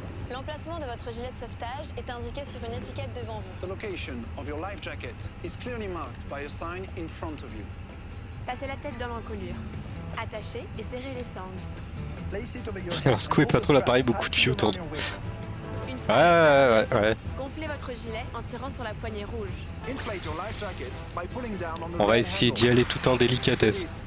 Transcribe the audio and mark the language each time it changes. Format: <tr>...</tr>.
<fr>L'emplacement de votre gilet de sauvetage est indiqué sur une étiquette devant vous.</fr> <en>The location of your life jacket is clearly marked by a sign in front of you.</en> <fr>Passez la tête dans l'encolure. Attachez et serrez les sangles. Alors secouez pas trop l'appareil, beaucoup de filles autour de... Ouais. Gonflez votre gilet en tirant sur la poignée rouge. On va essayer d'y aller tout en délicatesse.</fr>